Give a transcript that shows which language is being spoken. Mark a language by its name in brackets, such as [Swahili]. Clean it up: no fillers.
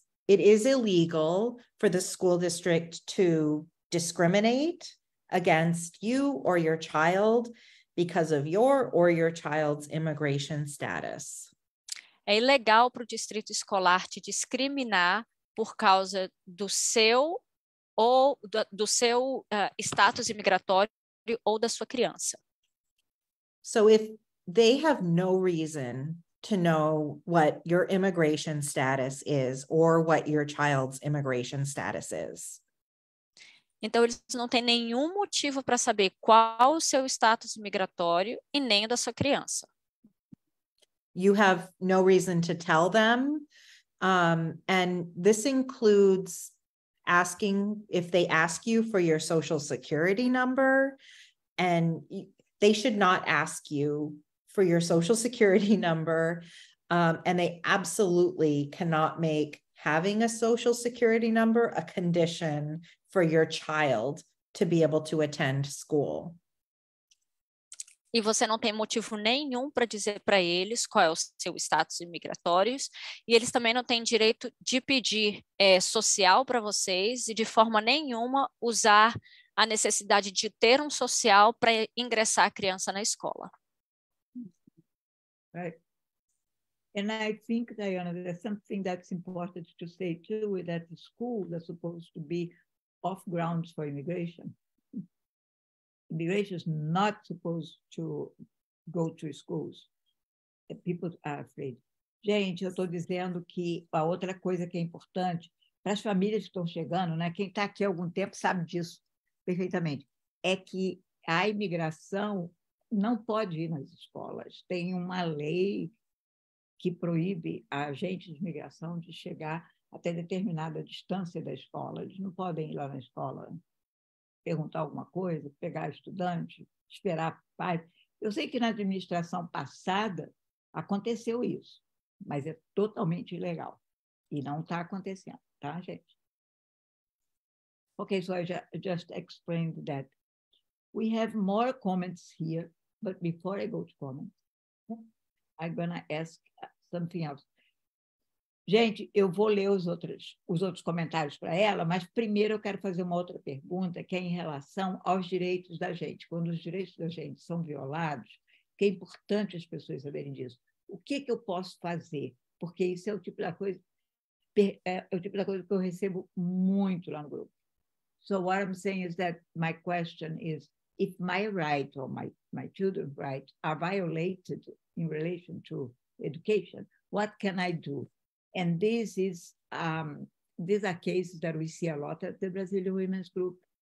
[English] It is illegal for the school district to discriminate against you or your child because of your or your child's immigration status. [Portuguese] É ilegal para o distrito escolar te discriminar por causa do seu ou do seu status imigratório ou da sua criança. [English] So if they have no reason to know what your immigration status is or what your child's immigration status is. [Portuguese] Então eles não têm nenhum motivo para saber qual o seu status imigratório e nem o da sua criança. [English] You have no reason to tell them. And this includes asking if they ask you for your social security number. And they should not ask you for your social security number And they absolutely cannot make having a social security number a condition for your child to be able to attend school. [Portuguese] E você não tem motivo nenhum para dizer para eles qual é o seu status imigratório. E eles também não têm direito de pedir social para vocês e de forma nenhuma usar a necessidade de ter social para ingressar a criança na escola. [English] Right. And I think, Diana, there's something that's important to say too, is that the schools are supposed to be off grounds for immigration. Immigration is not supposed to go to schools. People are afraid. [Portuguese] Gente, eu estou dizendo que a outra coisa que é importante, para as famílias que estão chegando, né? Quem está aqui há algum tempo sabe disso perfeitamente, é que a imigração não pode ir nas escolas. Tem uma lei que proíbe a agente de imigração de chegar até determinada distância da escola. Eles não podem ir lá na escola perguntar alguma coisa, pegar estudante, esperar pai. Eu sei que na administração passada aconteceu isso, mas é totalmente ilegal e não está acontecendo, tá, gente? [English] Okay, so I just explained that. We have more comments here, but before I go to comments, I'm going to ask something else. [Portuguese] Gente, eu vou ler os outros comentários para ela, mas primeiro eu quero fazer uma outra pergunta, que é em relação aos direitos da gente. Quando os direitos da gente são violados, que é importante as pessoas saberem disso. O que, que eu posso fazer? Porque isso é o tipo da coisa que eu recebo muito lá no grupo. [English] So what I'm saying is that my question is, if my rights or my children's rights are violated in relation to education, what can I do? And this is these are cases that we see a lot at the Brazilian Women's Group.